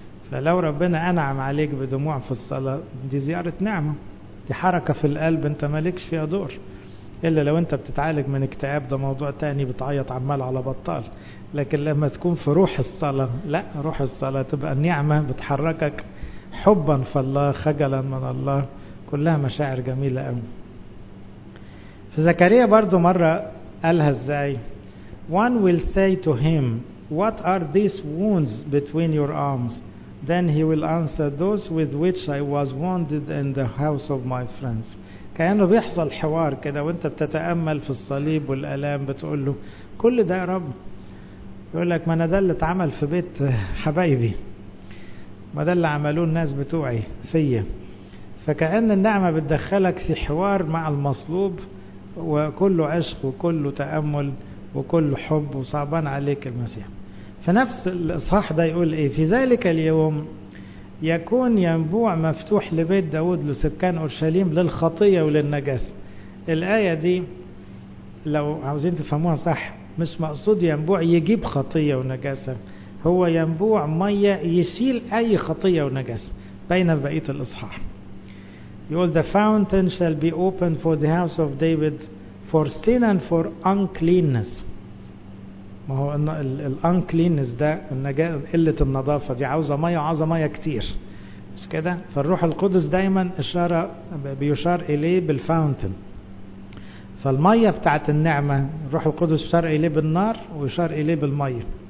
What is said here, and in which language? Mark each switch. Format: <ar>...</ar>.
<ar>فلو ربنا أنعم عليك بدموع في الصلاة دي زيارة نعمة، دي حركة في القلب أنت مالكش فيها دور، إلا لو أنت بتتعالج من اكتئاب ده موضوع تاني بتعيط عمال على بطال. لكن لما تكون في روح الصلاة، لا روح الصلاة تبقى النعمة بتحركك حبا فالله خجلا من الله، كلها مشاعر جميلة قوي. في زكريا برضو مرة قالها ازاي:</ar> <en>One will say to him, what are these wounds between your arms? Then he will answer, those with which I was wounded in the house of my friends.</en> <ar>كأنه بيحصل حوار كده وانت بتتأمل في الصليب والألام، بتقول له كل ده يا رب، يقول لك ما انا ده اللي اتعمل في بيت حبايبي، ما ده اللي عملوه الناس بتوعي فيا. فكأن النعمة بتدخلك في حوار مع المصلوب، وكله عشق وكله تأمل وكله حب، وصعبان عليك المسيح. في نفس الإصحاح ده يقول إيه: في ذلك اليوم يكون ينبوع مفتوح لبيت داود لسكان أورشليم للخطية وللنجاسة. الآية دي لو عاوزين تفهموها صح، مش مقصود ينبوع يجيب خطية ونجاسة، هو ينبوع مية يشيل أي خطية ونجاسة. بين بقية الإصحاح.</ar> <en>يقول the fountain shall be opened for the house of David for sin and for uncleanness.</en> <ar>ما هو ان الانكلينس ده قلة النظافة، دي عاوزة مية، عاوزة مية كتير بس كده. فالروح القدس دايما اشارة بيشار اليه بالفاونتن، فالمية بتاعت النعمة الروح القدس يشار اليه بالنار ويشار اليه بالمية.</ar>